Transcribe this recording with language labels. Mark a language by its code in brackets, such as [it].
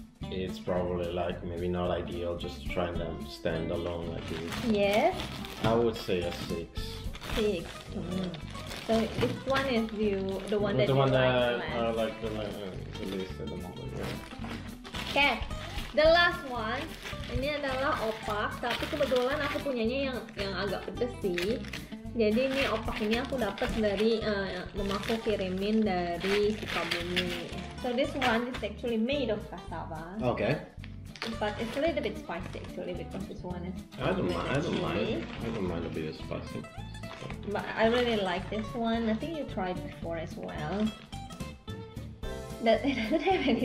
[en] It's probably like maybe not ideal just to try them stand alone like this. Yes. I would say a six. Six. So this one is the one that I like the least at the moment. Okay, the last one. [id] Ini adalah opak, tapi kebetulan aku punyanya yang agak pedes sih. Jadi ini opak ini aku dapat dari mamaku kirimin dari Sukabumi. [en] So this one is actually made of cassava. Okay. But it's a little bit spicy actually because this one is. I don't mind a bit of spicy. But I really like this one. I think you tried before as well. That it doesn't have any